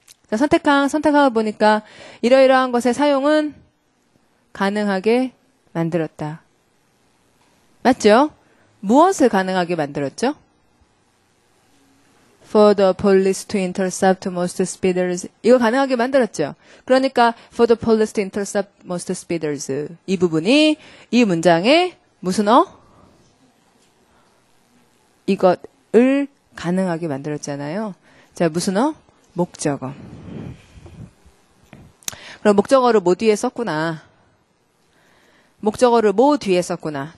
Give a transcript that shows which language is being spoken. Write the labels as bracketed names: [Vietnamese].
[Korean] 자, 선택항을 보니까 이러이러한 것의 사용은 가능하게 만들었다. 맞죠? 무엇을 가능하게 만들었죠? [English] For the police to intercept most speeders. [Korean] 이거 가능하게 만들었죠? 그러니까 [English] for the police to intercept most speeders. [Korean] 이 부분이 이 문장의 무슨 어? 이것을 가능하게 만들었잖아요. 자, 무슨 어? 목적어. 그럼 목적어를 뭐 뒤에 썼구나. 목적어를 뭐 뒤에 썼구나.